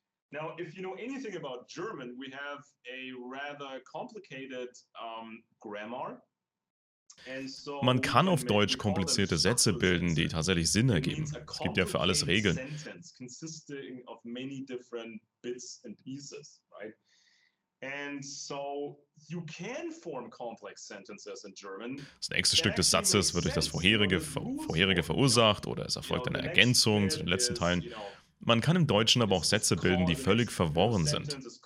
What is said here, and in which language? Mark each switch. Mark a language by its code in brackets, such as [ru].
[en] Now, if you know anything about German, we have a rather complicated grammar. [de] Man kann auf Deutsch komplizierte Sätze bilden, die tatsächlich Sinn ergeben. Es gibt ja für alles Regeln. [en] Consisting of many different bits and pieces, right? And so you can form complex sentences in German. [de] Das nächste Stück des Satzes wird durch das vorherige verursacht oder es erfolgt eine Ergänzung zu den letzten Teilen. Man kann im Deutschen aber auch Sätze bilden, die völlig verworren sind.